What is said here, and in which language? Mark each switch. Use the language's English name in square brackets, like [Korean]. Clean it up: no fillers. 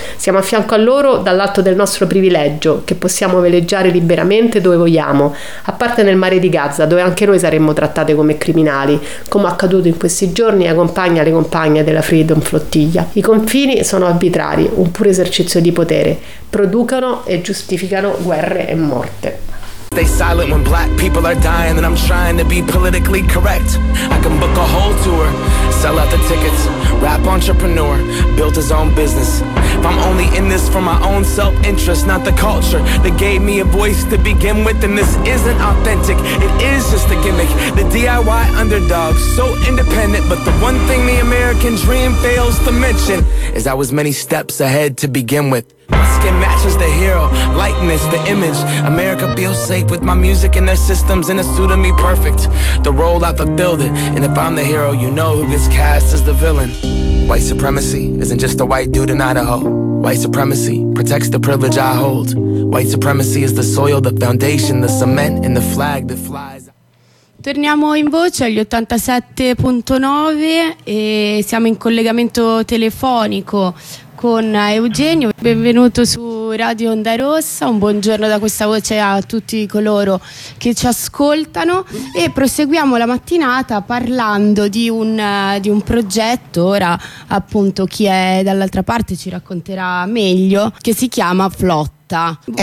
[Italian] Siamo a fianco a loro dall'alto del nostro privilegio, che possiamo veleggiare liberamente dove vogliamo, a parte nel mare di Gaza, dove anche noi saremmo trattate come criminali, come accaduto in questi giorni ai compagni e alle compagne della Freedom Flottiglia. I confini sono arbitrari, un puro esercizio di potere, producono e giustificano guerre e morte. [English] Stay silent when black people are dying and I'm trying to be politically correct. I can book a whole tour, sell out the tickets. Rap entrepreneur, built his own business. If I'm only in this for my own self-interest, not the culture that gave me a voice to begin with, then this isn't authentic, it is just a gimmick. The DIY underdog, so independent, but the one thing the American dream fails to mention is I was many steps ahead to begin with. My skin matches the hero, likeness, the image. America feels safe with my music and their systems in a suit of me perfect. The role I fulfilled it, and if I'm the hero, you know who gets cast as the villain. White supremacy isn't just a white dude in Idaho. White supremacy protects the privilege I hold. White supremacy is the soil, the foundation, the cement, and the flag that flies. [Italian] Torniamo in voce agli 87.9 e siamo in collegamento telefonico con Eugenio. Benvenuto su Radio Onda Rossa, un buongiorno da questa voce a tutti coloro che ci ascoltano e proseguiamo la mattinata parlando di un progetto, ora appunto chi è dall'altra parte ci racconterà meglio, che si chiama Flotta.